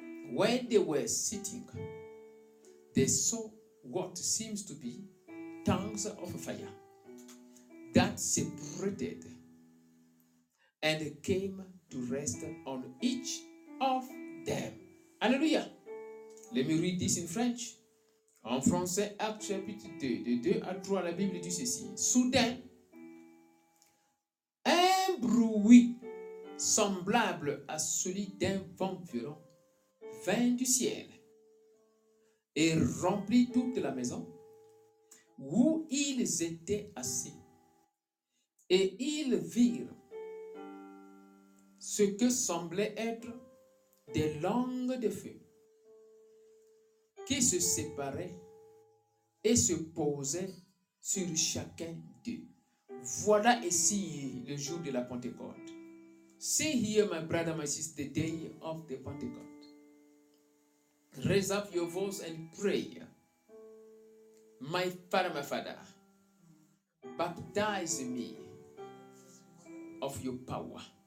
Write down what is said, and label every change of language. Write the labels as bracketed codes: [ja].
[en] When they were sitting, they saw what seems to be tongues of fire that separated and came to rest on each of them. Alléluia! Let me read this in French. [fr] En français, Acte chapitre 2, de 2 à 3, la Bible dit ceci. Soudain, un bruit semblable à celui d'un vent violent vint du ciel et remplit toute la maison où ils étaient assis. Et ils virent ce que semblait être des langues de feu qui se séparaient et se posaient sur chacun d'eux. Voilà ici le jour de la Pentecôte. [en] See here, my brother, my sister, the day of the Pentecost. Raise up your voice and pray. My Father, baptize me of your power.